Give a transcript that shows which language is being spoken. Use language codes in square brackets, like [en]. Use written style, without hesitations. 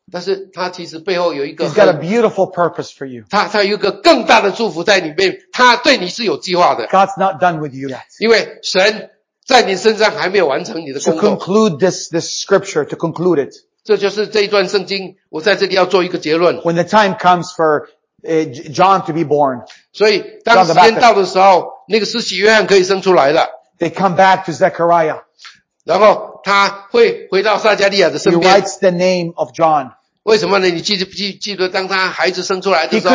[zh] 但是他其实背后有一个很, [en] He's got a beautiful purpose for you. [zh] 他有一个更大的祝福在里面, 他对你是有计划的。 [en] God's not done with you yet. [zh] 因为神在你身上还没有完成你的工作。 [en] To conclude this scripture, to conclude it. [zh] 这就是这一段圣经, 我在这里要做一个结论。 [en] When the time comes for John to be born. [zh] 所以当时间到的时候, 那个施洗约翰可以生出来了。 [en] They come back to Zechariah. [zh] 然后他会回到撒加利亚的身边。 [en] He writes the name of John. [zh] 为什么呢? 你记得当他孩子生出来的时候,